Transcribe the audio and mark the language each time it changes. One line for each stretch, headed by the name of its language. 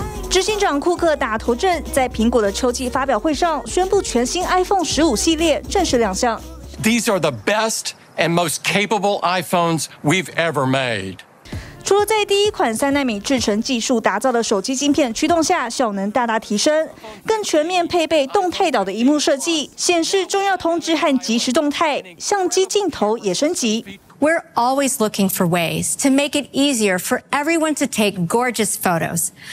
Chinese: 执行长库克打头阵，在苹果的秋季发表会上宣布全新 iPhone 15系列正式亮相。
English: These are the best and most capable iPhones we've ever made.
Chinese: 除了在第一款三纳米制程技术打造的手机晶片驱动下，效能大大提升，更全面配备动态岛的萤幕设计，显示重要通知和即时动态，相机镜头也升级。
English: We're always looking for ways to make it easier for everyone to take gorgeous photos.